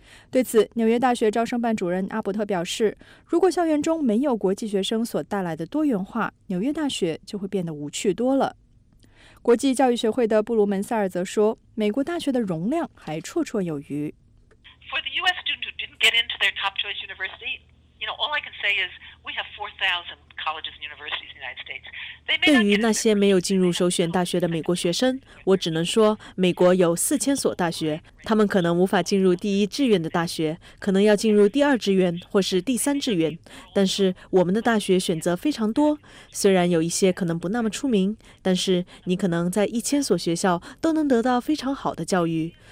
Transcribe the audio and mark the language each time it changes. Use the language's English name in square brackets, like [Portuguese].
[Chinese] 对此，纽约大学招生办主任阿伯特表示，如果校园中没有国际学生所带来的多元化，纽约大学就会变得无趣多了。国际教育学会的布鲁门塞尔则说，美国大学的容量还绰绰有余。 [English] For the U.S. student who didn't get into their top choice university, you know, all I can say is we have 4,000 colleges and universities in the United States. [Chinese] 对于那些没有进入首选大学的美国学生，我只能说，美国有4000所大学，他们可能无法进入第一志愿的大学，可能要进入第二志愿或是第三志愿。但是我们的大学选择非常多，虽然有一些可能不那么出名，但是你可能在1000所学校都能得到非常好的教育。